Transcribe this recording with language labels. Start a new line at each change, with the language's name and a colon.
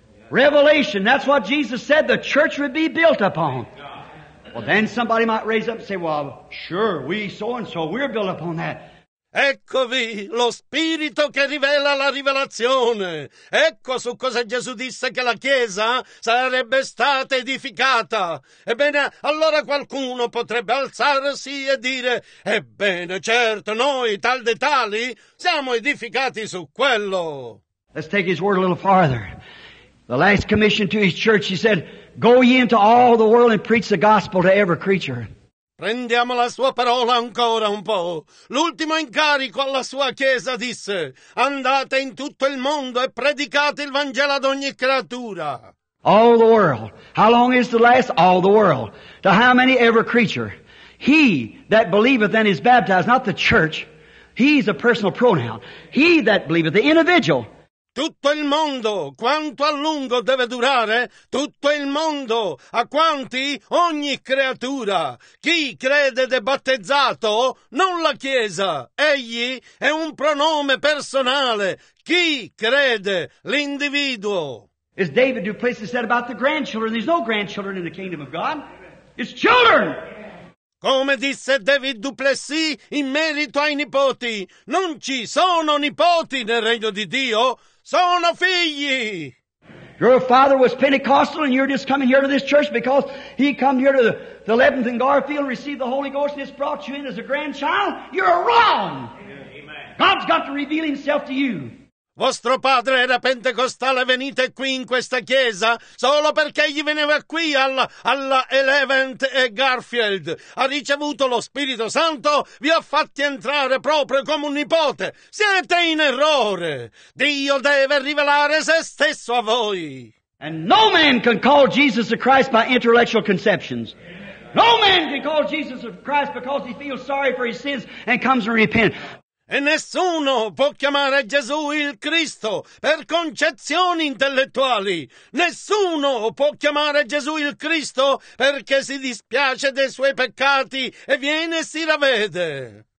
English: Revelation, that's what Jesus said the church would be built upon. Well, then somebody might raise up and say, well, sure, we so-and-so, we're built upon that.
Italian: Eccovi lo Spirito che rivela la rivelazione. Ecco su cosa Gesù disse che la Chiesa sarebbe stata edificata. Ebbene, allora qualcuno potrebbe alzarsi e dire, ebbene, certo, noi, tal dei tali, siamo edificati su quello.
English: Let's take his word a little farther. The last commission to his church, he said, go ye into all the world and preach the gospel to every creature.
Italian: Prendiamo la sua parola ancora un po'. L'ultimo incarico alla sua chiesa disse, andate in tutto il mondo e predicate il Vangelo ad ogni creatura.
English: All the world. How long is to last? All the world. To how many ever creature? He that believeth and is baptized, not the church. He's a personal pronoun. He that believeth, the individual.
Italian: Tutto il mondo, quanto a lungo deve durare? Tutto il mondo, a quanti? Ogni creatura. Chi crede ed è battezzato? Non la Chiesa. Egli è un pronome personale. Chi crede? L'individuo.
English: It's David who places that about the grandchildren. There's no grandchildren in the kingdom of God. It's children!
Italian: Come disse David Duplessis in merito ai nipoti, non ci sono nipoti nel regno di Dio, sono figli.
English: Your father was Pentecostal and you're just coming here to this church because he come here to the 11th in Garfield, received the Holy Ghost and just brought you in as a grandchild. You're wrong. Amen. God's got to reveal himself to you.
Italian: Vostro padre era pentecostale, venite qui in questa chiesa solo perché gli veniva qui alla Eleventh e Garfield. Ha ricevuto lo Spirito Santo, vi ha fatti entrare proprio come un nipote. Siete in errore. Dio deve rivelare se stesso a voi.
English: And no man can call Jesus the Christ by intellectual conceptions. No man can call Jesus the Christ because he feels sorry for his sins and comes and repents.
Italian: E nessuno può chiamare Gesù il Cristo per concezioni intellettuali. Nessuno può chiamare Gesù il Cristo perché si dispiace dei suoi peccati e viene e si ravvede.